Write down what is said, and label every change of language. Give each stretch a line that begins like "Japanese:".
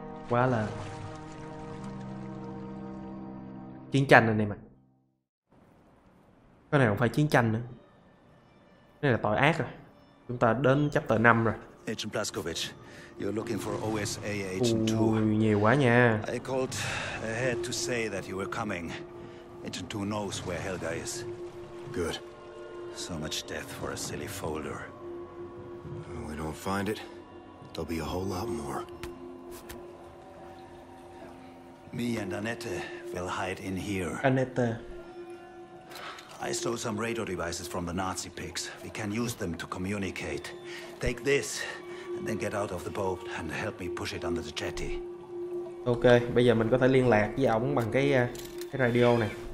Vietnamese: Quá là chiến tranh anh em ạ. Cái này không phải chiến tranh nữa. Cái này là tội ác rồi. Chúng ta đến chapter 5 rồi.
English: Agent Blazkowicz, you're looking for OSA Agent 2.
Vietnamese: Ui, nhiều quá nha.
English: I called ahead to say that you were coming. Agent 2 knows where Helga is. Good. So much death for a silly folder. When we don't find it, there'll be a whole lot more. Me and Annette will hide in here. Annette. I stole some radio devices from the Nazi pigs. We can use them to communicate. Take this, and then get out of the boat and help me push it under the jetty.
Vietnamese: Ok, bây giờ mình có thể liên lạc với ổng bằng cái radio này.